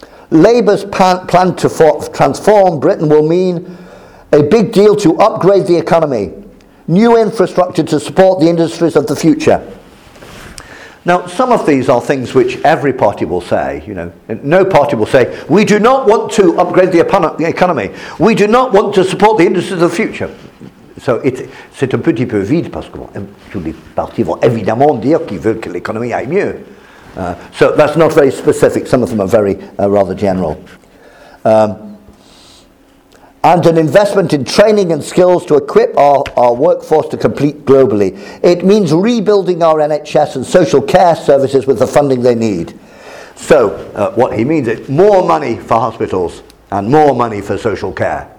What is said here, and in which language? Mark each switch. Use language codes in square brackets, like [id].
[en] Labour's plan to transform Britain will mean a big deal to upgrade the economy, new infrastructure to support the industries of the future. Now, some of these are things which every party will say. You know, no party will say, we do not want to upgrade the economy. We do not want to support the industries of the future. [fr] So c'est un petit peu vide, parce que tous les partis vont évidemment dire qu'ils veulent que l'économie aille mieux. [en] So that's not very specific. Some of them are very rather general. And an investment in training and skills to equip our workforce to compete globally. It means rebuilding our NHS and social care services with the funding they need. So what he means is more money for hospitals and more money for social care.